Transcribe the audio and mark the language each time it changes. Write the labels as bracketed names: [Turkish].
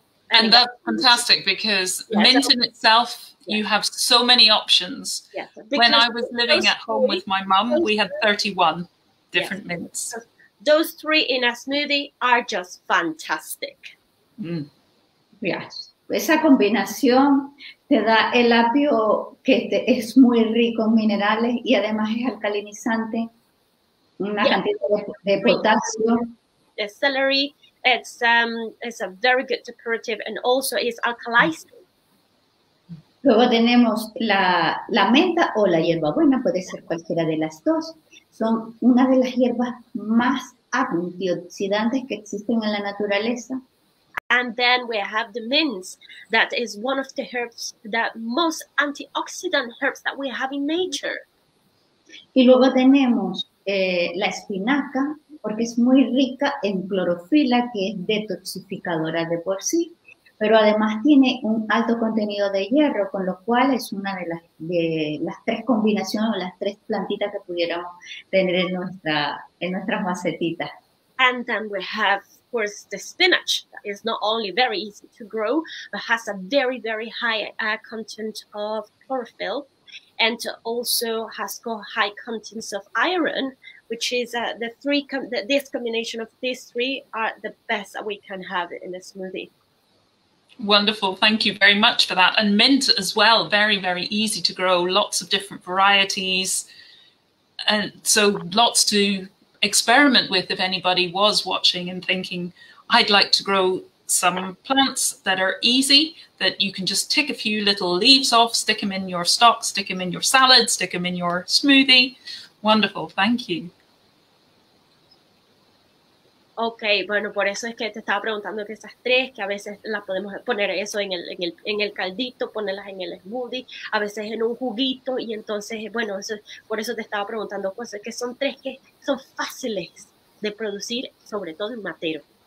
[English] And that's fantastic because mint in itself, you have so many options. Yeah. When I was living at home with my mum, we had 31 different mints. Those three in a smoothie are just fantastic. Yes. [Spanish] Esa combinación te da el apio que es muy rico en minerales y además es alcalinizante. Una cantidad de potasio. [English] The celery. It's a very good decorative and also is alkalizing. [Spanish] Luego tenemos la menta o la hierbabuena, puede ser cualquiera de las dos. Son una de las hierbas más antioxidantes que existen en la naturaleza. [English] And then we have the mint, that is one of the herbs, the most antioxidant herbs that we have in nature. [Spanish] Y luego tenemos la espinaca, porque es muy rica en clorofila, que es detoxificadora de por sí. pero además tiene un alto contenido de hierro, con lo cual es una de las tres combinaciones o las tres plantitas que pudiéramos tener en nuestras macetitas. [English] And then we have, of course, the spinach that is not only very easy to grow, but has a very, very high content of chlorophyll and also has high contents of iron, which is the three, com the, this combination of these three are the best that we can have in a smoothie. Wonderful, thank you very much for that. And mint as well, very, very easy to grow, lots of different varieties. And so lots to experiment with if anybody was watching and thinking, I'd like to grow some plants that are easy, that you can just tick a few little leaves off, stick them in your stock, stick them in your salad, stick them in your smoothie. Wonderful, thank you. [Spanish] Okay, bueno, por eso es que te estaba preguntando que esas tres, que a veces las podemos poner eso en el caldito, ponerlas en el smoothie, a veces en un juguito, y entonces, bueno, eso, por eso te estaba preguntando cosas, que son tres que son fáciles de producir, sobre todo en Matero.